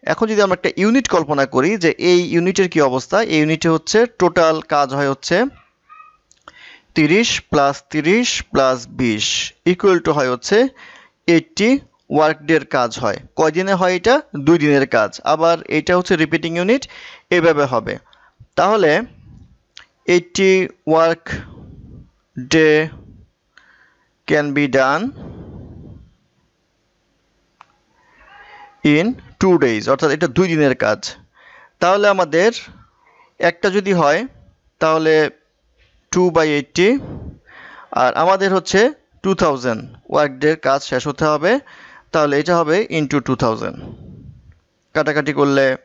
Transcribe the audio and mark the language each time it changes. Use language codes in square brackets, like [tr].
[bn] এখন যদি আমরা একটা ইউনিট কল্পনা করি যে এই ইউনিটের কী অবস্থা, এই ইউনিটে হচ্ছে টোটাল কাজ হয় হচ্ছে 30 + 30 + 20 ইকুয়াল টু হয় হচ্ছে 80 ওয়ার্ক ডের কাজ হয়। কয়দিনে হয় এটা? 2 দিনের কাজ। আবার এটা হচ্ছে রিপিটিং ইউনিট, এভাবে হবে। তাহলে [en] 80 work day can be done in 2 days. [bn] অর্থাৎ এটা দুই দিনের কাজ। তাহলে আমাদের একটা যদি হয় তাহলে 2/80 আর আমাদের হচ্ছে 2000 ওয়ার্ক ডের কাজ শেষ হতে হবে তাহলে এটা হবে ইনটু 2000 কাটাকাটি করলে